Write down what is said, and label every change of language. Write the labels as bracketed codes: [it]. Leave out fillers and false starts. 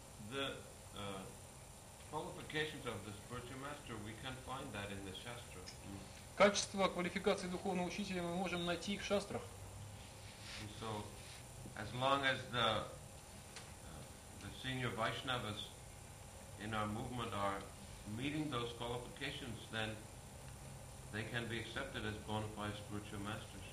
[en] The qualifications of the spiritual master, we can find that in the shastra. [ru] Качество квалификации духовного учителя мы можем найти в шастрах. [en] So, as long as the senior Vaishnavas in our movement are meeting those qualifications, then they can be accepted as bona fide spiritual masters.